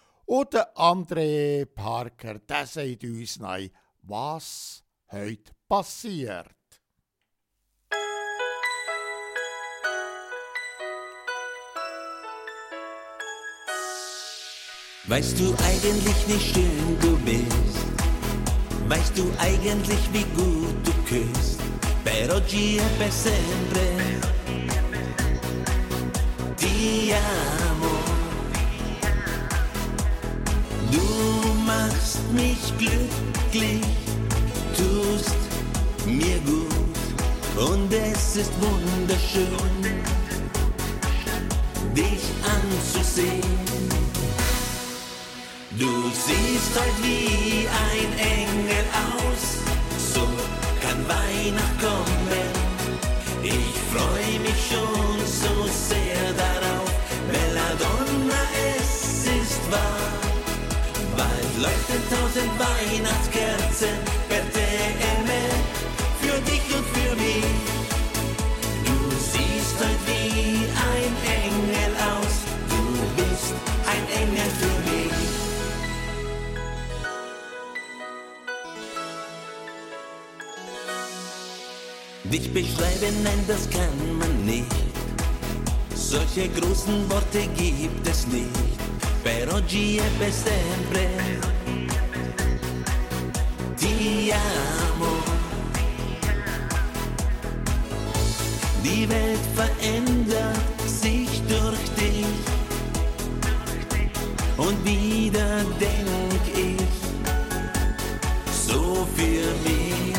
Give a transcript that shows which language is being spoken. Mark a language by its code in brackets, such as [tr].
[de] Oder André Parker, der sagt uns nein, was heute passiert. Weißt du eigentlich, wie schön du bist? Weißt du eigentlich, wie gut du küsst? [it] Per oggi e per sempre ti amo. [de] Du machst mich glücklich, tust mir gut. Und es ist wunderschön, dich anzusehen. Du siehst heute wie ein Engel aus, so kann Weihnacht kommen. Ich freu mich schon so sehr darauf, Belladonna, es ist wahr. Bald leuchten 1000 Weihnachtskerzen per TM, für dich und für mich. Du siehst heute wie ein Engel aus, du bist ein Engel für mich. Dich beschreiben, nein, das kann man nicht. Solche großen Worte gibt es nicht. [it] Per oggi e per sempre ti amo. [de] Die Welt verändert sich durch dich. Und wieder denk ich so für mich.